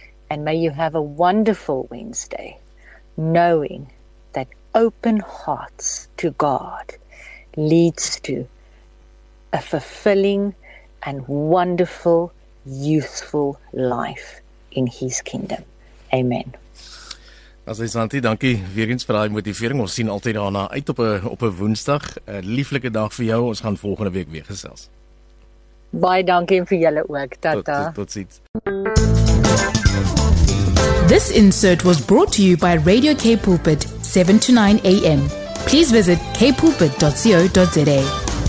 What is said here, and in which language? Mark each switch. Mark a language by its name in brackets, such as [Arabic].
[English] And may you have a wonderful Wednesday, knowing that open hearts to God leads to a fulfilling and wonderful, useful life in His kingdom. Amen. [Afrikaans] As jy Santi, dankie weer eens vir daai motivering. Ons sien altyd daarna uit op 'n Woensdag. 'n Lieflike dag vir jou. Ons gaan volgende week weer gesels. Baie dankie vir julle ook. Tata. Tot sits. [English] This insert was brought to you by Radio K Pulpit 7 to 9 AM. Please visit kpulpit.co.za.